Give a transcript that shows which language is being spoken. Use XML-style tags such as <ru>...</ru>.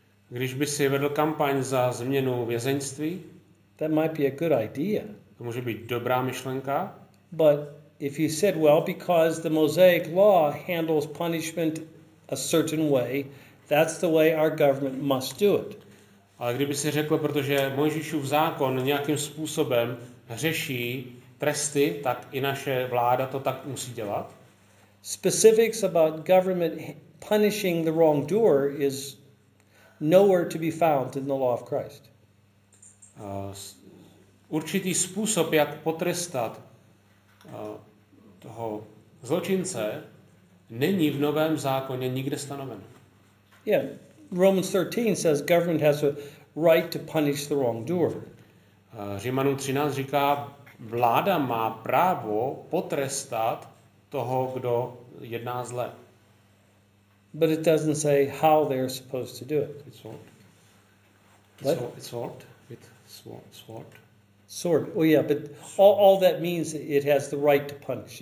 <cs>když by si vedl kampaň za změnu vězeňství,</cs> <en>that might be a good idea.</en> <cs>To může být dobrá myšlenka.</cs> <en>But if you said, well, because the Mosaic law handles punishment a certain way, that's the way our government must do it.</en> <cs>Ale kdyby si řekl, protože Mojžíšův zákon nějakým způsobem řeší tresty, tak i naše vláda to tak musí dělat.</cs> <en>Specifics about government punishing the wrongdoer is nowhere to be found in the law of Christ.</en> <cs>Určitý způsob, jak potrestat toho zločince, není v Novém zákoně nikde stanoven.</cs> <en>Yeah, Romans 13 says government has a right to punish the wrongdoer.</en> <cs>Římanům 13 říká, vláda má právo potrestat toho, kdo jedná zle.</cs> <en>But it doesn't say how they're supposed to do it. It's all. What? Sword with sword. Sword. Oh yeah, but all that means it has the right to punish.</en>